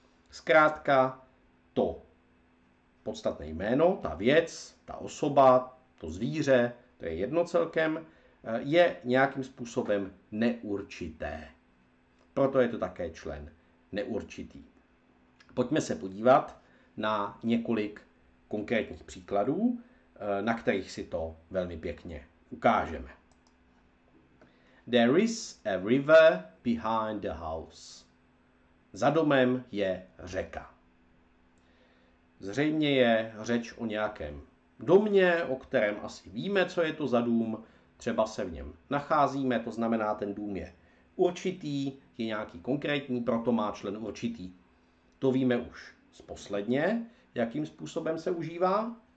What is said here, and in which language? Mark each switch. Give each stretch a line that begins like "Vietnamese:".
Czech: Zkrátka to podstatné jméno, ta věc, ta osoba, to zvíře, to je jedno celkem, je nějakým způsobem neurčité. Proto je to také člen neurčitý. Pojďme se podívat na několik konkrétních příkladů, na kterých si to velmi pěkně ukážeme.
English: There is a river behind the house.
Czech: Za domem je řeka. Zřejmě je řeč o nějakém domě, o kterém asi víme, co je to za dům. Třeba se v něm nacházíme, to znamená, ten dům je určitý, je nějaký konkrétní, proto má člen určitý. To víme už z posledně, jakým způsobem se užívá.